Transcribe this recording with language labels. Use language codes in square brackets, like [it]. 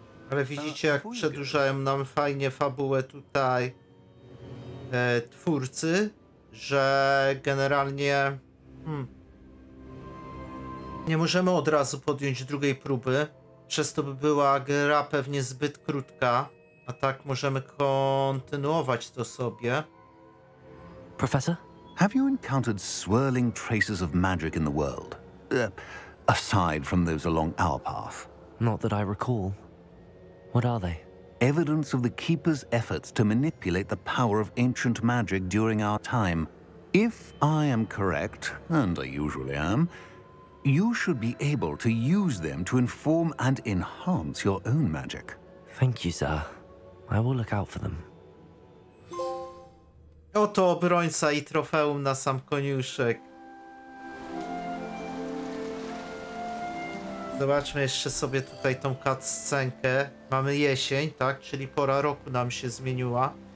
[pl] Ale widzicie, jak przedłużają nam fajnie fabułę tutaj twórcy, że generalnie... Nie możemy od razu podjąć drugiej próby, przez to by była gra pewnie zbyt krótka, a tak możemy kontynuować to sobie. [en] Professor? Have you encountered swirling traces of magic in the world? Aside from those along our path? Not that I recall. What are they? Evidence of the Keeper's efforts to manipulate the power of ancient magic during our time. If I am correct, and I usually am, you should be able to use them to inform and enhance your own magic. Thank you, sir. I will look out for them. [pl] Oto obrońca i trofeum na sam koniuszek. Zobaczmy jeszcze sobie tutaj tą cutscenkę. Mamy jesień, tak? Czyli pora roku nam się zmieniła.